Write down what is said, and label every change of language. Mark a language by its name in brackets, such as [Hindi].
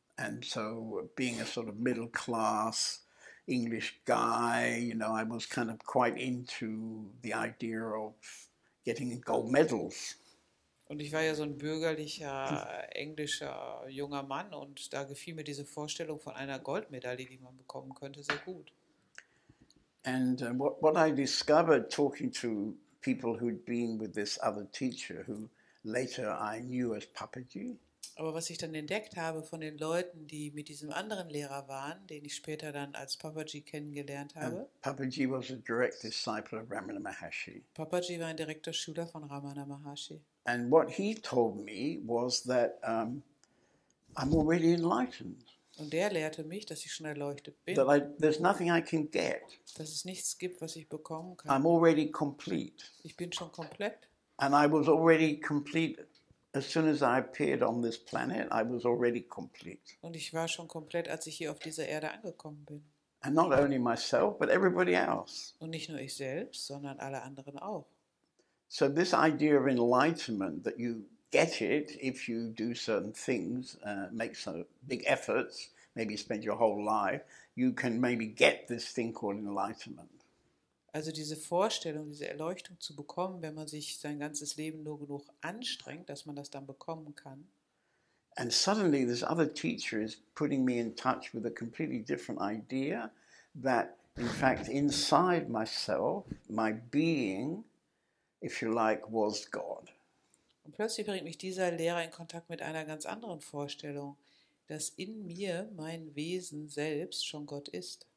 [English] And so being a sort of middle class English guy, you know, I was kind of quite into the idea of getting gold medals. [German] Und ich war ja so ein bürgerlicher, englischer, junger Mann und da gefiel mir diese Vorstellung von einer Goldmedaille, die man bekommen könnte, sehr gut. [English] And what I discovered talking to people who'd been with this other teacher, who later I knew as Papaji. [German] Aber was ich dann entdeckt habe von den Leuten, die mit diesem anderen Lehrer waren, den ich später dann als Papaji kennengelernt habe. [English] Papaji was a direct disciple of Ramana Maharshi. [German] Papaji war ein direkter Schüler von Ramana Maharshi. [English] And what he told me was that I'm already enlightened. [German] Und der lehrte mich, dass ich schon erleuchtet bin. [English] That there's nothing I can get. [German] Dass es nichts gibt, was ich bekommen kann. [English] I'm already complete. [German] Ich bin schon komplett. [English] And I was already complete. As soon as I appeared on this planet, I was already complete. [German] Und ich war schon komplett, als ich hier auf dieser Erde angekommen bin. [English] And not only myself, but everybody else. [German] Und nicht nur ich selbst, sondern alle anderen auch. [English] So this idea of enlightenment, that you get it if you do certain things, make some big efforts, maybe spend your whole life, you can maybe get this thing called enlightenment. [German] Also diese Vorstellung, diese Erleuchtung zu bekommen, wenn man sich sein ganzes Leben nur genug anstrengt, dass man das dann bekommen kann. [English] And suddenly this other teacher is putting me in touch with a completely different idea that in fact inside myself, my being, if you like, was God. [German] Und plötzlich bringt mich dieser Lehrer in Kontakt mit einer ganz anderen Vorstellung, dass in mir mein Wesen selbst schon Gott ist.